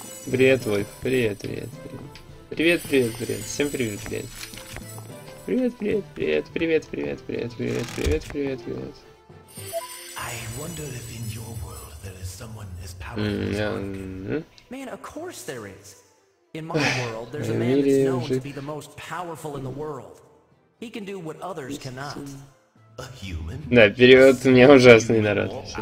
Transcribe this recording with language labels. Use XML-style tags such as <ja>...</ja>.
<ru>Привет, Вольф. Привет, привет, привет. Привет, привет, привет. Всем привет, привет. Привет, привет, привет, привет, привет, привет, привет, привет, привет, привет.</ru> <en>I wonder if in your world there is someone as powerful as you. Man, of course there is. In my world there's a man that's known to be the most powerful in the world. He can do what others cannot. A human?</en> <ru>Да, перевод у меня ужасный, народ.</ru>